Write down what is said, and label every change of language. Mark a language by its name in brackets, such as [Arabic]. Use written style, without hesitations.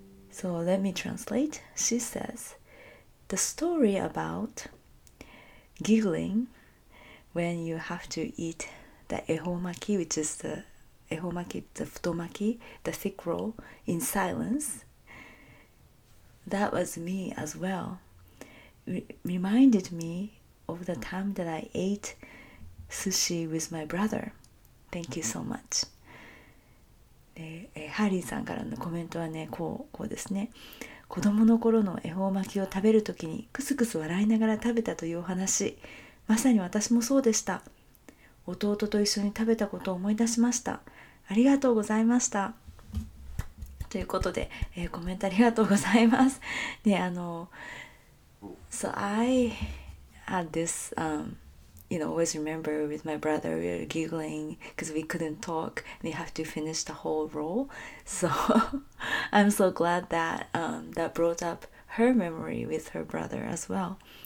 [English] So let me translate. She says, the story about giggling when you have to eat the ehomaki, which is the ehomaki, the futomaki, the thick roll, in silence, that was me as well. Reminded me of the time that I ate sushi with my brother. Thank you so much. [Japanese] ハリーさんからのコメントはね、こうですね、子供の頃の恵方巻きを食べるときにクスクス笑いながら食べたというお話、まさに私もそうでした。弟と一緒に食べたことを思い出しました。ありがとうございました、ということで、コメントありがとうございますね。 [English] So I had this always remember with my brother, we were giggling because we couldn't talk. We have to finish the whole roll. So I'm so glad that that brought up her memory with her brother as well.